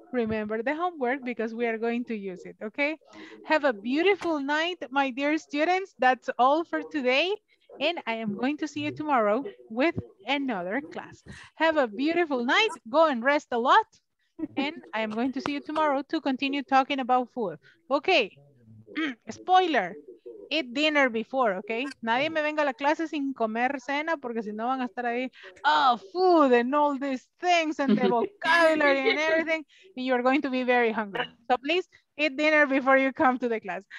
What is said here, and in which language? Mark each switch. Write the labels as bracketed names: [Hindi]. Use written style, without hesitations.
[English] Remember the homework because we are going to use it, okay? Have a beautiful night, my dear students. That's all for today. And I am going to see you tomorrow with another class. Have a beautiful night. Go and rest a lot. And I am going to see you tomorrow to continue talking about food. Okay. Spoiler. Eat dinner before, okay? [Spanish] Nadie me venga a la clase sin comer cena porque si no van a estar ahí. [English] Oh, food and all these things and the vocabulary and everything. And you're going to be very hungry. So please eat dinner before you come to the class.